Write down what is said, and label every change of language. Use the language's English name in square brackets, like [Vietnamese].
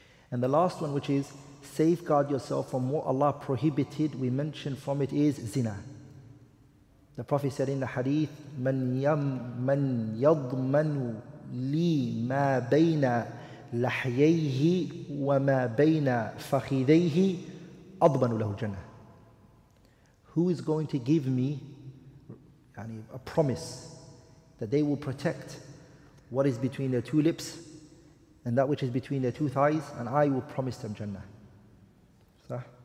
[English] And the last one, which is safeguard yourself from what Allah prohibited, we mentioned from it is zina. The Prophet said in the hadith, [Arabic] من يضمن لي ما بين لحييه وما بين فخذيه أضمن له الجنة. [English] Who is going to give me a promise that they will protect what is between their two lips and that which is between their two thighs, and I will promise them Jannah. [Arabic] صح?